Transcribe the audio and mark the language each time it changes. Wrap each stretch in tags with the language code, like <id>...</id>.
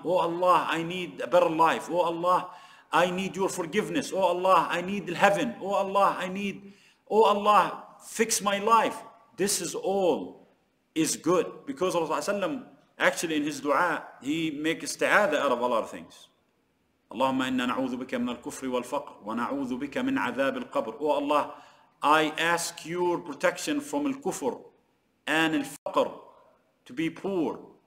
<en>Oh Allah, I need a better life. Oh Allah, I need your forgiveness. Oh Allah, I need heaven. Oh Allah, I need, oh Allah, fix my life. This is all is good. Because Allah sallam, actually in his dua, he makes ista'adha out of a lot of things.</en> <ar>اللهم إنا نعوذ بك من الكفر والفقر ونعوذ بك من عذاب القبر.</ar> <en>Oh Allah, I ask your protection from الكفر and الفقر, to be poor.</en>